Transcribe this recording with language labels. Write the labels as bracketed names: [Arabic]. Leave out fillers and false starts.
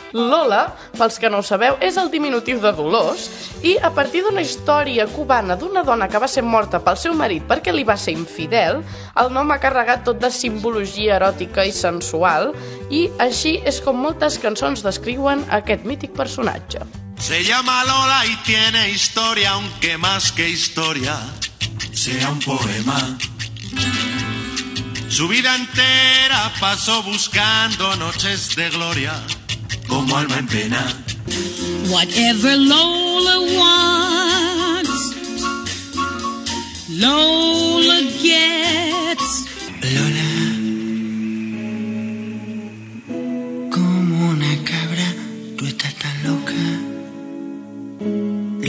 [Catalan] Lola, pels que no ho sabeu, és el diminutiu de Dolors i a partir d'una història cubana d'una dona que va ser morta pel seu marit perquè li va ser infidel, el nom ha carregat tot de simbologia eròtica i sensual i així és com moltes cançons descriuen aquest mític personatge. [Spanish] Se llama Lola y tiene historia, aunque más que historia sea un poema. Su vida entera pasó buscando noches de gloria como alma en pena. [English] Whatever Lola wants, Lola gets. [Spanish] Lola, como una cabra, tú estás tan loca.